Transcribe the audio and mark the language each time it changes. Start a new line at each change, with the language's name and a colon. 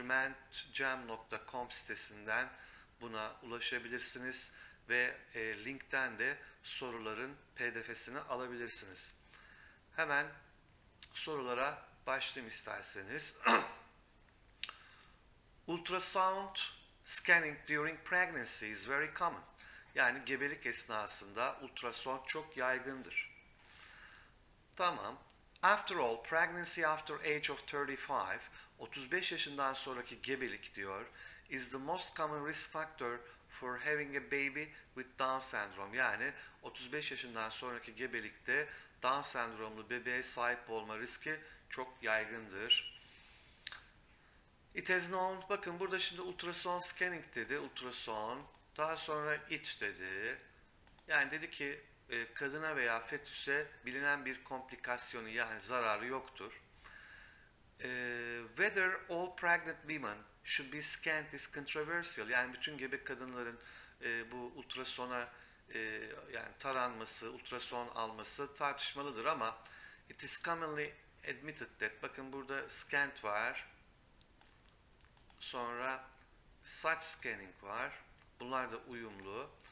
Turkish: ercumentcem.com sitesinden buna ulaşabilirsiniz ve linkten de soruların PDF'sini alabilirsiniz. Hemen sorulara başlayayım isterseniz.
English: Ultrasound scanning during pregnancy is very common.
Turkish: Yani gebelik esnasında ultrason çok yaygındır.
English: Tamam. After all, pregnancy after age of 35,
Turkish: 35 yaşından sonraki gebelik diyor,
English: is the most common risk factor for having a baby with Down syndrome.
Turkish: Yani 35 yaşından sonraki gebelikte Down sendromlu bebeğe sahip olma riski çok yaygındır.
English: It has known,
Turkish: bakın burada şimdi ultrason scanning dedi, ultrason, daha sonra it dedi. Yani dedi ki kadına veya fetüse bilinen bir komplikasyonu yani zararı yoktur.
English: Whether all pregnant women should be scanned is controversial.
Turkish: Yani bütün gebe kadınların bu ultrasona yani taranması, ultrason alması tartışmalıdır ama
English: it is commonly admitted that,
Turkish: bakın burada scanned var. Sonra saç scanning var. Bunlar da uyumlu.